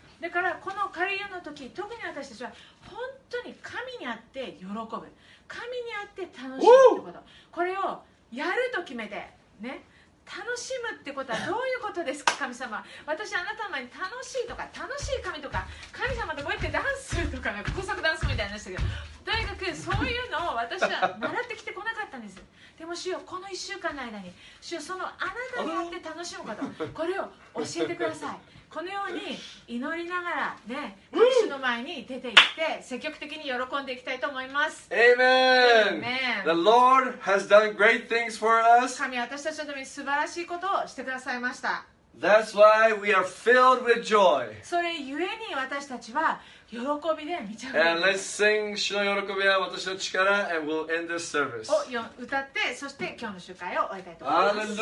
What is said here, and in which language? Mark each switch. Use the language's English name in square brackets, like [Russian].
[Japanese] だからこの仮予の時、特に私たちは本当に神にあって喜ぶ、神にあって楽しむってこと、これをやると決めて、ね、楽しむってことはどういうことですか神様、私あなたの前に楽しいとか楽しい神とか神様とこうやってダンスとか高速ダンスみたいなしたけど、とにかくそういうのを私は習ってきてこなかったんです。でも主よ、この1週間の間に主よ、そのあなたにあって楽しむこと、これを教えてください。このように祈りながらね、主の前に出て行って積極的に喜んでいきたいと思います。 [English] Amen. Amen. The Lord has done great things for us. [Japanese] 神は私たちのために素晴らしいことをしてくださいました。 [English] That's why we are filled with joy. [Japanese] それゆえに私たちは喜びで満ちあふ [English] れ、 And let's sing [Japanese] 主の喜びは私の力、 [English] And we'll end this service. [Japanese] を歌って、そして今日の集会を終えたいと思います。